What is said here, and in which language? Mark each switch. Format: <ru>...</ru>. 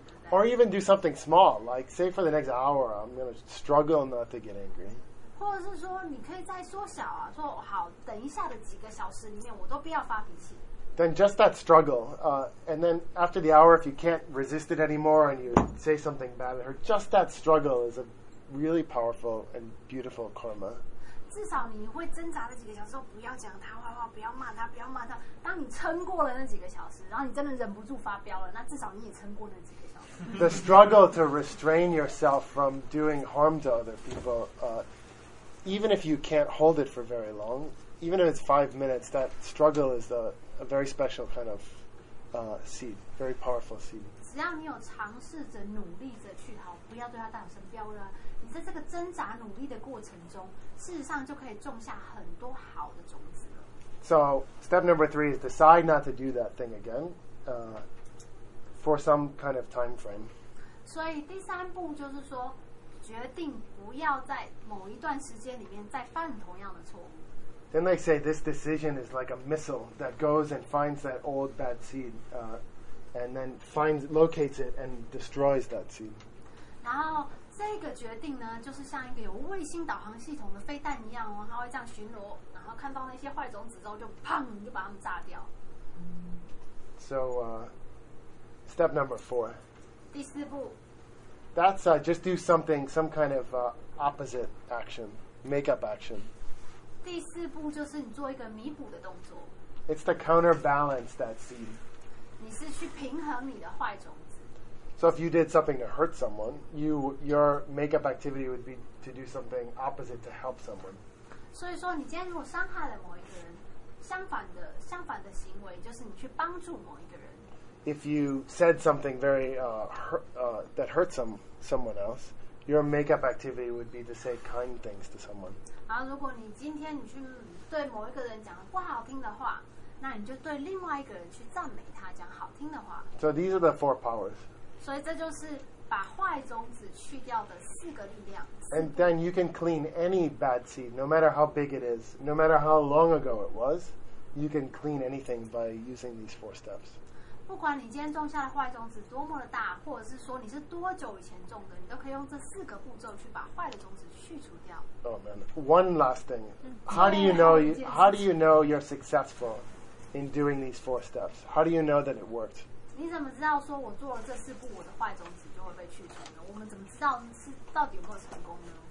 <en>Or even do something small, like say for the next hour, I'm going to struggle not to get angry.</en> <zh>或者是说你可以再缩小啊，说好等一下的几个小时里面我都不要发脾气。</zh> <en>Then just that struggle, and then after the hour, if you can't resist it anymore and you say something bad at her, just that struggle is a really powerful and beautiful karma.</en> <zh>至少你会挣扎了几个小时后，不要讲他坏话，不要骂他，不要骂他。当你撑过了那几个小时，然后你真的忍不住发飙了，那至少你也撑过那几个小时。</zh> <en>The struggle to restrain yourself from doing harm to other people, even if you can't hold it for very long, even if it's 5 minutes, that struggle is a very special kind of seed, very powerful seed.</en> <zh>只要你有尝试着努力着去好，不要对他大小声，不要为他，你在这个挣扎努力的过程中，事实上就可以种下很多好的种子了。</zh> <en>So step number three is decide not to do that thing again, for some kind of time frame.</en> <zh>所以第三步就是说。决定不要在某一段时间里面再犯同样的错误。</zh> <en>Then they say this decision is like a missile that goes and finds that old bad seed, and then finds, locates it and destroys that seed.</en> <zh>然后这个决定呢，就是像一个有卫星导航系统的飞弹一样哦，它会这样巡逻，然后看到那些坏种子之后，就砰，就把它们炸掉。</zh> <en>So, step number four.</en> <zh>第四步。</zh> <en>That's just do something, some kind of opposite action, makeup action.</en> <zh>第四步就是你做一个弥补的动作。</zh> <en>It's to counterbalance that seed.</en> <zh>你是去平衡你的坏种子。</zh> <en>So if you did something to hurt someone, your makeup activity would be to do something opposite to help someone.</en> <zh>所以说你今天如果伤害了某一个人，相反的行为就是你去帮助某一个人。</zh> <en>If you said something very hurt someone else, your makeup activity would be to say kind things to someone.</en> <zh>然后，如果你今天你去对某一个人讲不好听的话，那你就对另外一个人去赞美他，讲好听的话。</zh> <en>So these are the four powers.</en> <zh>所以这就是把坏种子去掉的四个力量。</zh> <en>And then you can clean any bad seed, no matter how big it is, no matter how long ago it was. You can clean anything by using these four steps.</en> <zh>不管你今天种下的坏种子多么的大，或者是说你是多久以前种的，你都可以用这四个步骤去把坏的种子去除掉。</zh> <en>Oh man, one last thing. How do you know you're successful in doing these four steps? How do you know that it worked?</en> <zh>你怎么知道说我做了这四步，我的坏种子就会被去除呢？我们怎么知道是到底有没有成功呢？</zh>